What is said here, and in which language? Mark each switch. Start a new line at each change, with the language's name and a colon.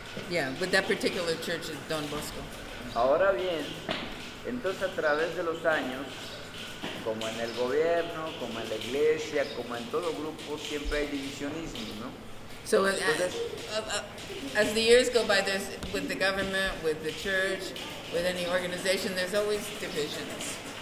English: Yeah, with that particular church at Don Bosco.
Spanish: Ahora bien, entonces a través de los años, como en el gobierno, como en la iglesia, como en todo grupo, siempre hay divisionismo, ¿no?
English: So as the years go by, there's with the government, with the church, with any organization, there's always divisions.